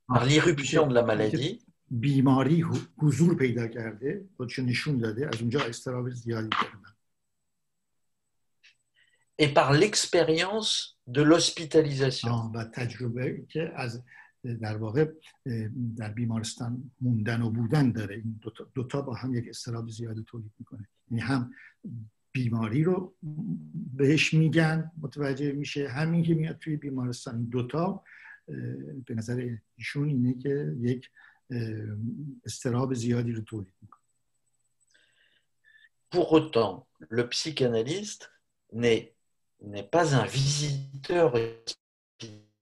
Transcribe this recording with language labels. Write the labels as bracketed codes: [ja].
[fa] بیماری حضور پیدا کرده، خودش نشون داده، از اونجا استراب زیادی داره. [fr] Et par l'expérience de l'hospitalisation. [fa] با تجربه که از در واقع در بیمارستان موندن و بودن داره، این دوتا با هم یک استراب زیادی تولید میکنه. یعنی هم بیماری رو بهش میگن متوجه میشه همین که میاد توی بیمارستان دوتا به نظر ایشون اینه که یک استراب زیادی رو تولید میکنه [fr] Pour autant, le psychanalyste n'est pas un visiteur hospitalier.